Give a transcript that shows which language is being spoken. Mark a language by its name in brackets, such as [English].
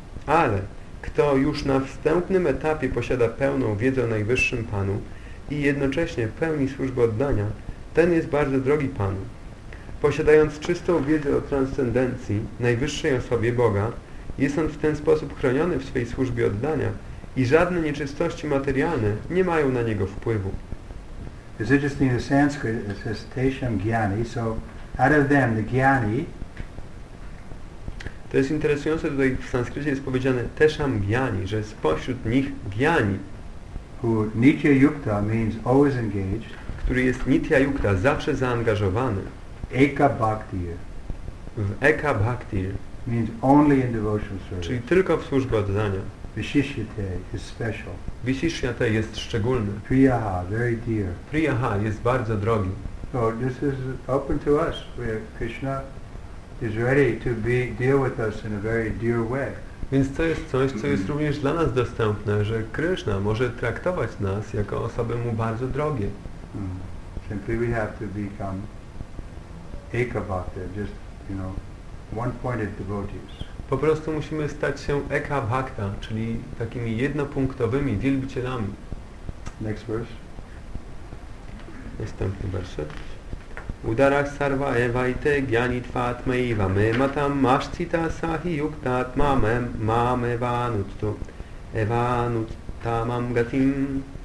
[Polish] Ale kto już na wstępnym etapie posiada pełną wiedzę o najwyższym Panu i jednocześnie pełni służbę oddania, ten jest bardzo drogi Panu. Posiadając czystą wiedzę o transcendencji, najwyższej osobie Boga, jest on w ten sposób chroniony w swej służbie oddania i żadne nieczystości materialne nie mają na niego wpływu. [English] It's interesting in Sanskrit, it says [Sanskrit] tesham gyani, [English] so out of them, the gyani. [Polish] To jest interesujące, tutaj w sanskrycie jest powiedziane [Sanskrit] tesham gyani, [Polish] że spośród nich gyani, [English] who [Sanskrit] nitya yukta [English] means always engaged, [Polish] który jest [Sanskrit] nitya yukta, [Polish] zawsze zaangażowany, [Sanskrit] eka bhakti, [Polish] w eka bhakti [English] means only in devotional service, [Polish] czyli tylko w służbie oddania. [English] Vishishyate is special. [Polish] Vishishyate jest szczególny. [English] Priyaha, very dear. [Polish] Priyaha jest bardzo drogi. [English] So this is open to us. Where Krishna is ready to be deal with us in a very dear way. [Polish] Więc to jest coś, co jest również dla nas dostępne, że Krishna może traktować nas jako osoby mu bardzo drogie. [English] Simply we have to become ekabhakta, just, you know, one-pointed devotees. [Polish] Po prostu musimy stać się eka bhakta, czyli takimi jednopunktowymi wielbicielami. [English] Next verse. [Polish] Następny werset. [Sanskrit] Udarah sarva evaite gyanitvatmaiva me matam mashcita sahi yuktatma mam evanuttu evanuttamam gatim.